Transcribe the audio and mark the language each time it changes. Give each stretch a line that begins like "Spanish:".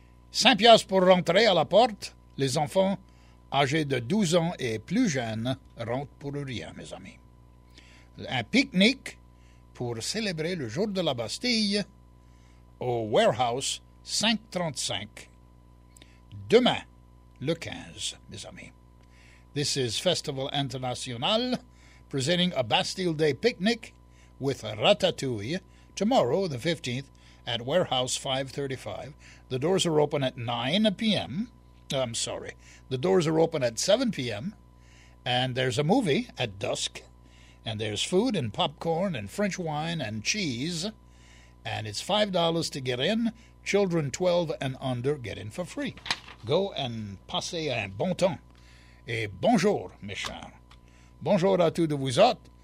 French: 5 piastres pour rentrer à la porte. Les enfants âgés de 12 ans et plus jeunes rentrent pour rien, mes amis. Un pique-nique pour célébrer le jour de la Bastille au Warehouse 535. Demain, le 15, mes amis.
English: This is Festival International presenting a Bastille Day picnic with Ratatouille tomorrow, the 15th, at Warehouse 535. The doors are open at 9 p.m. I'm sorry. The doors are open at 7 p.m. And there's a movie at dusk. And there's food and popcorn and French wine and cheese. And it's $5 to get in. Children 12 and under get in for free. Go and
French: passez un bon temps. Et bonjour, mes chers. Bonjour à tous de vous autres.